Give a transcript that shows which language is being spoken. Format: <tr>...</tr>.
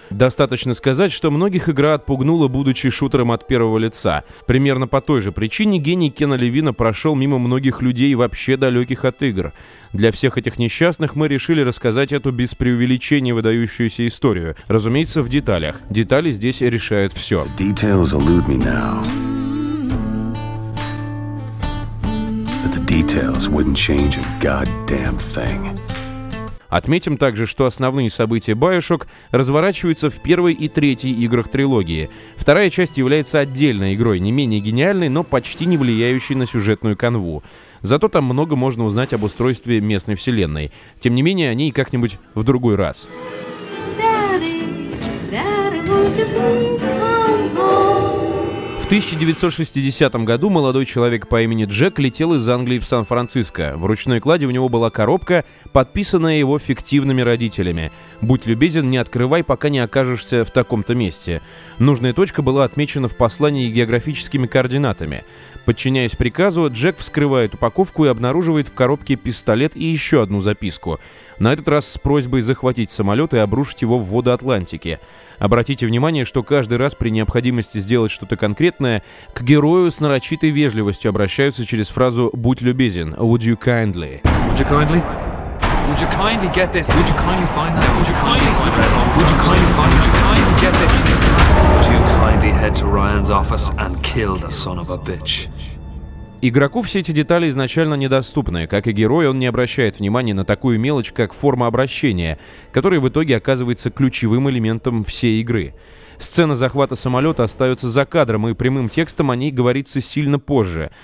<ru>Достаточно сказать, что многих игра отпугнула, будучи шутером от первого лица. Примерно по той же причине гений Кена Левина прошел мимо многих людей, вообще далеких от игр. Для всех этих несчастных мы решили рассказать эту без преувеличения выдающуюся историю. Разумеется, в деталях. Детали здесь решают все.</ru> <en>Details elude me now. But the details wouldn't change a goddamn thing.</en> <ru>Отметим также, что основные события BioShock разворачиваются в первой и третьей играх трилогии. Вторая часть является отдельной игрой, не менее гениальной, но почти не влияющей на сюжетную канву. Зато там много можно узнать об устройстве местной вселенной. Тем не менее, о ней как-нибудь в другой раз. В 1960 году молодой человек по имени Джек летел из Англии в Сан-Франциско. В ручной клади у него была коробка, подписанная его фиктивными родителями. «Будь любезен, не открывай, пока не окажешься в таком-то месте». Нужная точка была отмечена в послании географическими координатами. Подчиняясь приказу, Джек вскрывает упаковку и обнаруживает в коробке пистолет и еще одну записку. На этот раз с просьбой захватить самолет и обрушить его в воды Атлантики. Обратите внимание, что каждый раз при необходимости сделать что-то конкретное, к герою с нарочитой вежливостью обращаются через фразу «будь любезен» —</ru> <en>«would you kindly». Would you kindly? Would you kindly get this? Would you kindly find that? Would you kindly find that? Would you kindly find that? Would you kindly get this? Would you kindly head to Ryan's office and kill the son of a bitch?</en> <ru>Игроку все эти детали изначально недоступны. Как и герой, он не обращает внимания на такую мелочь, как форма обращения, которая в итоге оказывается ключевым элементом всей игры. Сцена захвата самолета остается за кадром, и прямым текстом о ней говорится сильно позже.</ru>